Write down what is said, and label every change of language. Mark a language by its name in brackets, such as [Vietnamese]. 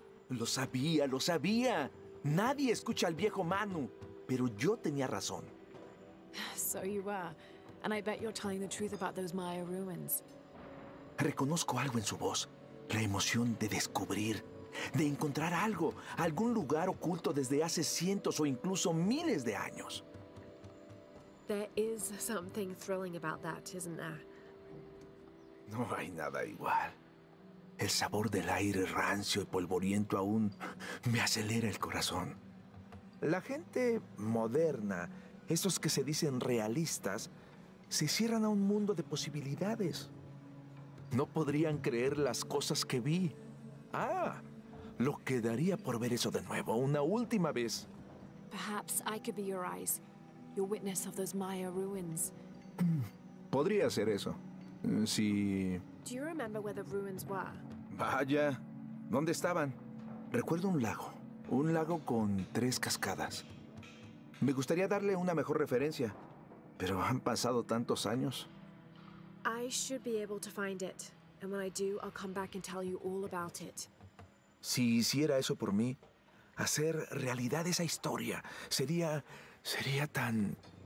[Spanish] Lo sabía, lo sabía. Nadie escucha al viejo Manu, pero yo tenía razón. [English] So you were. And I bet you're telling the truth about those Maya ruins. [Spanish] Reconozco algo en su voz. La emoción de descubrir, de encontrar algo, algún lugar oculto desde hace cientos o incluso miles de años. [English] There is something thrilling about that, isn't there? [Spanish] No hay nada igual. El sabor del aire rancio y polvoriento aún me acelera el corazón. La gente moderna, esos que se dicen realistas, se cierran a un mundo de posibilidades. No podrían creer las cosas que vi. Ah, lo quedaría por ver eso de nuevo, una última vez. [English] Perhaps I could be your eyes, your witness of those Maya ruins. [Spanish] Podría ser eso. Sí. [English] Do you remember where the ruins were? [Spanish] Vaya, ¿dónde estaban? Recuerdo un lago con tres cascadas. Me gustaría darle una mejor referencia, pero han pasado tantos años. [English] I should be able to find it, and when I do, I'll come back and tell you all about it. [Spanish] Si hiciera eso por mí, hacer realidad esa historia sería tan...